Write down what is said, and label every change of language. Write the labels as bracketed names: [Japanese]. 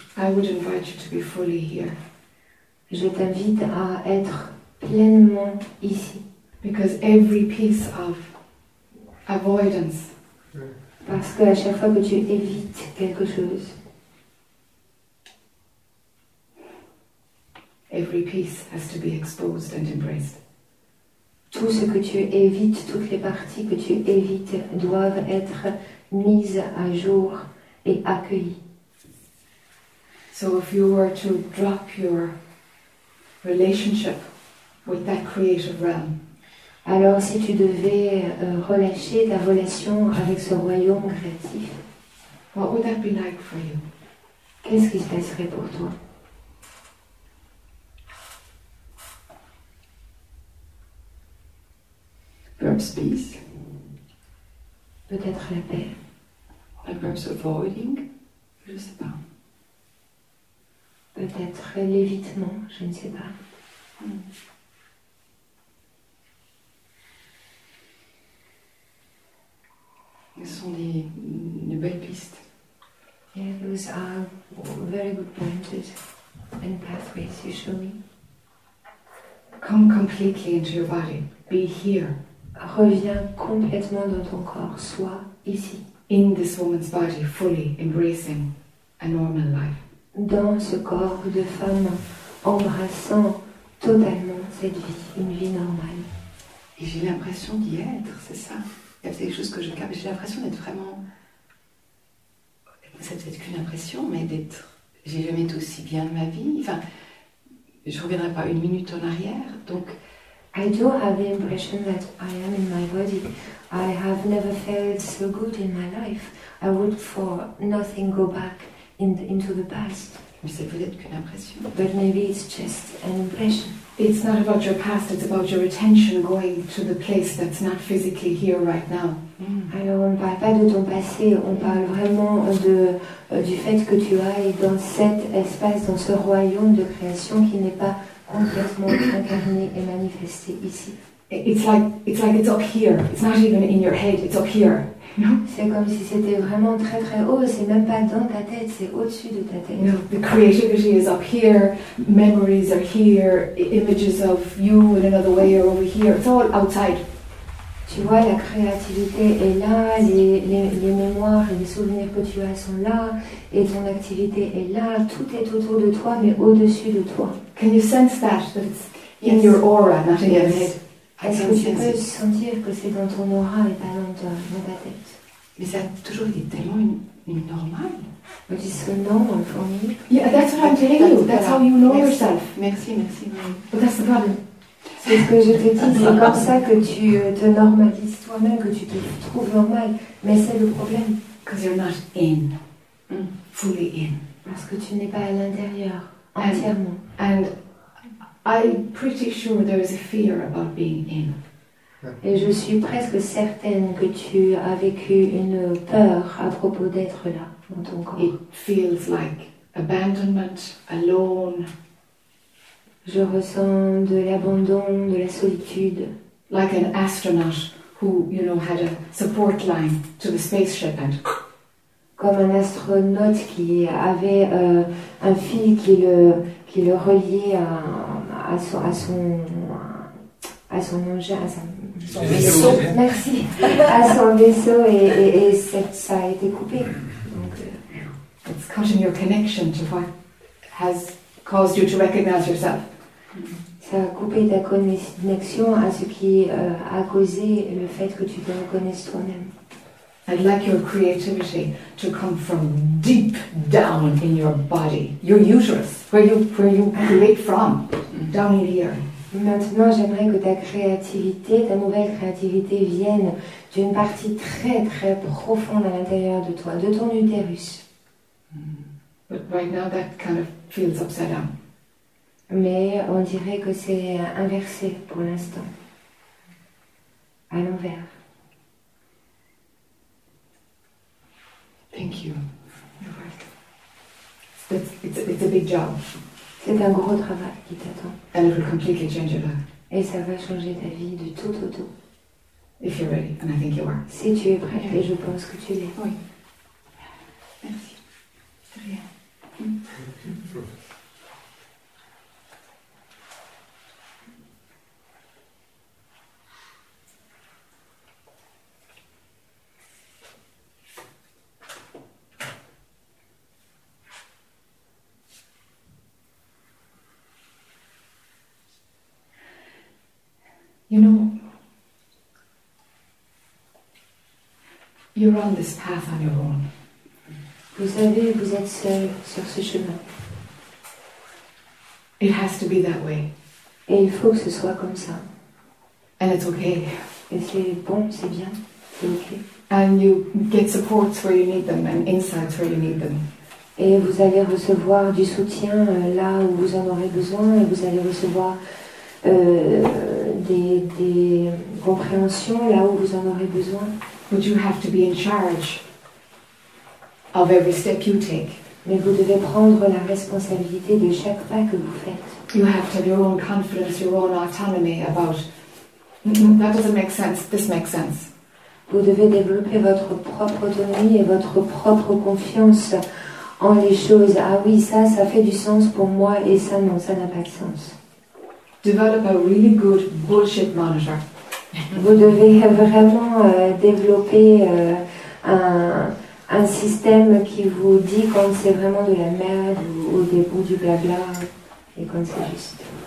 [English] I would invite you to be fully here. [French] Je t'invite à être pleinement ici. [English] Because every piece of avoidance. [French] Parce que à chaque fois que tu évites quelque chose. [English] Every piece has to be exposed and embraced. [French] Tout ce que tu évites, toutes les parties que tu évites doivent être mises à jour et accueillies. [English] So if you were to drop your relationship with that creative realm. [French] Alors si tu devais relâcher ta relation avec ce royaume créatif. [English] What would that be like for you? [French] Qu'est-ce qui se passerait pour toi? [English] Perhaps peace. [French] Peut-être la paix. [English] Or perhaps avoiding. [French] Je ne sais pas. Peut-être l'évitement, je ne sais pas. Ce sont des belles pistes. [English] Yeah, those are very good pointers and pathways you show me. Come completely into your body. Be here. [French] Reviens complètement dans ton corps. Sois ici. [English] In this woman's body, fully embracing a normal life. [French] Dans ce corps de femme, embrassant totalement cette vie, une vie normale. Et j'ai l'impression d'y être, c'est ça. Il y a quelque chose que je capte. J'ai l'impression d'être vraiment. C'est peut-être qu'une impression, mais d'être. J'ai jamais été aussi bien de ma vie. Enfin, je reviendrai pas une minute en arrière, donc. [English] I do have the impression that I am in my body. I have never felt so good in my life. I would for nothing go back. Into the past. [French] Mais c'est peut-être qu'une impression. [English] But maybe it's just an impression. It's not about your past, it's about your attention going to the place that's not physically here right now. [French] Alors, on ne parle pas de ton passé, on parle vraiment de, du fait que tu ailles dans cet espace, dans ce royaume de création qui n'est pas complètement incarné et manifesté ici. [English] It's like it's up here. It's not even in your head. It's up here. No. [French] C'est comme si c'était vraiment très très haut. C'est même pas dans ta tête. C'est au-dessus de ta tête. [English] No. The creativity is up here. Memories are here. Images of you in another way are over here. It's all outside. [French] Tu vois, la créativité est là. Les mémoires et les souvenirs que tu as sont là. Et ton activité est là. Tout est autour de toi, mais au-dessus de toi. [English] Can you sense that it's in your aura, not in your head? [French] Est-ce que tu peux sentir que c'est dans ton aura et pas dans, dans ta tête? Mais ça a toujours été tellement une normale. Mais tu dis non, pour moi. [English] Yeah, that's what I'm telling you. That's how you know yourself. [French] Merci, merci. [English] But that's the problem. [French] C'est ce que je te dis. C'est comme ça que tu te normalises toi-même, que tu te trouves normal. Mais c'est le problème. [English] Because you're not in. Fully in. [French] Parce que tu n'es pas à l'intérieur, entièrement. [English] And I'm pretty sure there is a fear about being in. [French] Et je suis presque certaine que tu as vécu une peur à propos d'être là dans ton corps. [English] It feels like abandonment, alone. [French] Je ressens de l'abandon, de la solitude. [English] Like an astronaut who, you know, had a support line to the spaceship and. [French] Comme un astronaute qui avait un fil qui le reliait à son vaisseau et ça a été coupé. Donc, [English] it's cutting your connection to what has caused you to recognize yourself. [French] Ça a coupé ta connexion à ce qui a causé le fait que tu te reconnaisses toi-même. [English] I'd like your creativity to come from deep down in your body, your uterus, where you create from, down in here. [French] Maintenant, j'aimerais que ta créativité, ta nouvelle créativité, vienne d'une partie très très profonde à l'intérieur de toi, de ton utérus. [English] But right now, that kind of feels upside down. [French] Mais on dirait que c'est inversé pour l'instant, à l'envers. [English] Thank you. You're welcome. It's a big job. [French] C'est un gros travail qui t'attend. [English] And it will completely change your life. [French] Et ça va changer ta vie de tout au tout. [English] If you're ready, and I think you are. [French] Si tu es prêt, okay. Et je pense que tu l'es. Oui. Merci. C'est rien. [English] You know, you're on this path on your own. [French] Vous savez, vous êtes seul sur ce chemin. [English] It has to be that way. [French] Et il faut que ce soit comme ça. [English] And it's okay. [French] Et c'est bon, c'est bien, c'est okay. [English] And you get supports where you need them and insights where you need them. [French] Et vous allez recevoir du soutien là où vous en aurez besoin et vous allez recevoir des compréhensions là où vous en aurez besoin. [English] But you have to be in charge of every step you take. [French] Mais vous devez prendre la responsabilité de chaque pas que vous faites. [English] You have to have your own confidence, your own autonomy about that doesn't make sense, this makes sense. [French] Vous devez développer votre propre autonomie et votre propre confiance en les choses. Ah oui, ça fait du sens pour moi et ça non, ça n'a pas de sens. [English] Develop a really good bullshit monitor. [French] Vous devez vraiment développer un système qui vous dit quand c'est vraiment de la merde ou du blabla et quand c'est juste.